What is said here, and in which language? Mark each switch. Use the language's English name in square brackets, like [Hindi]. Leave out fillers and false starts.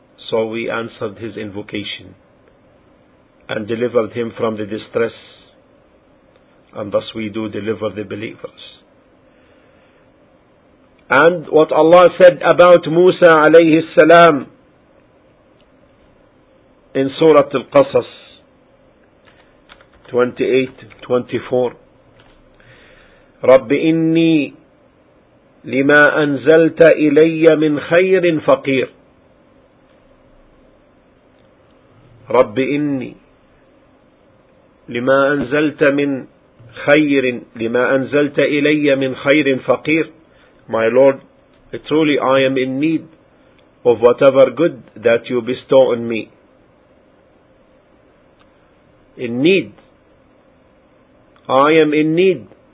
[English] So we answered his invocation and delivered him from the distress, and thus we do deliver the believers. And what Allah said about Musa عليه السلام in Surah Al-Qasas 28-24, [Arabic] رب إني لما أنزلت إلي من خير فقير. رب إني لما أنزلت من خير لما أنزلت إلي من خير فقير. [English] My Lord, truly I am in need of whatever good that you bestow on me. In need. I am in need.